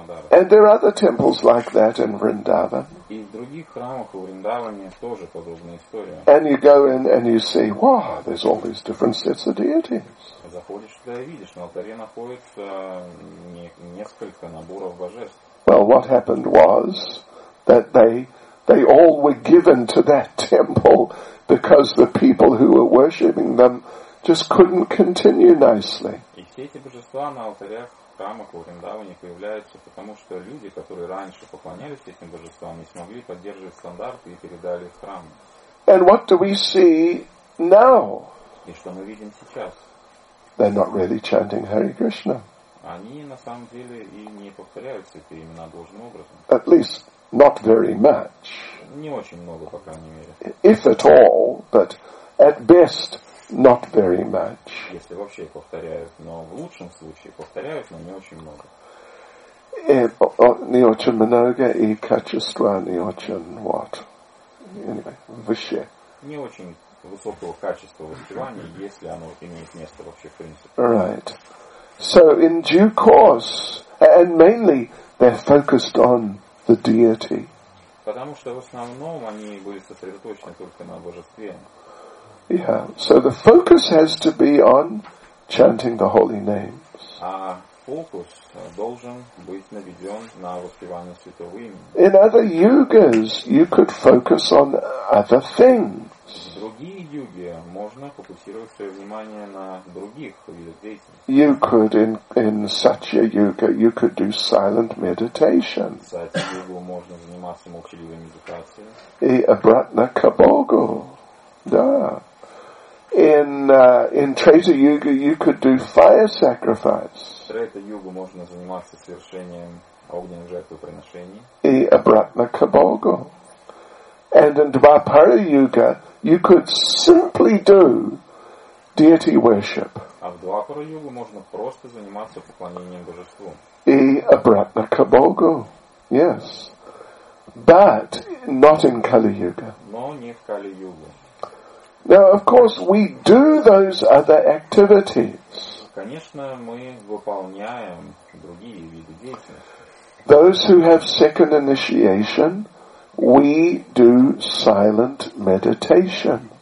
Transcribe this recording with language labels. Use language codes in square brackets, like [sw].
[en] And there are other temples like that in Vrindavan. [ru] И в других храмах у Вриндаване тоже подобная история. [en] And you go in and you see, wow, there's all these different sets of deities. [ru] Заходишь туда и видишь, на алтаре находится несколько наборов божеств. [en] Well, what happened was that they all were given to that temple because the people who were worshipping them just couldn't continue nicely. [ru] И все эти божества на алтарях храмах в Вриндаване появляются, потому что люди, которые раньше поклонялись этим божествам, не смогли поддерживать стандарты и передали их в храм. [en] And what do we see now? [ru] И что мы видим сейчас? [en] They're not really chanting Hare Krishna. [ru] Они на самом деле и не повторяют святые имена должным образом. [en] At least not very much. [ru] Не очень много, по крайней мере. [en] If at all, but at best. Not very much. [ru] Если вообще повторяют, но в лучшем случае повторяют, но не очень много. Не очень много и качество не очень [en] what? Anyway, [ru] выше. Не очень высокого качества воспевания, если оно имеет место вообще в принципе. [en] Right. So in due course, and mainly they're focused on the deity. [ru] Потому что в основном они были сосредоточены только на божестве. [en] Yeah, so the focus has to be on chanting the holy names. [ru] А фокус должен быть наведен на воспевание святого имени. [en] In other yugas, you could focus on other things. [ru] В другие юги можно фокусировать свое внимание на других видах деятельности. [en] You could in such a yuga, you could do silent meditation. [ru] В сати югу можно заниматься молчаливой медитацией. И обратно к Богу. Да. [en] In Treta Yuga, you could do fire sacrifice. [ru] Treta Yuga можно заниматься совершением огненных жертвоприношений. И обратно к Богу. [en] And in Dvapara Yuga, you could simply do deity worship. [ru] А в Dvapara Yuga можно просто заниматься поклонением божеству. И обратно к Богу. [en] Yes. But not in Kali Yuga. [ru] Но не в Kali Yuga. [en] Now, of course, we do those other activities. [ru] Конечно, мы выполняем другие виды деятельности. [en] Those who have second initiation, we do silent meditation.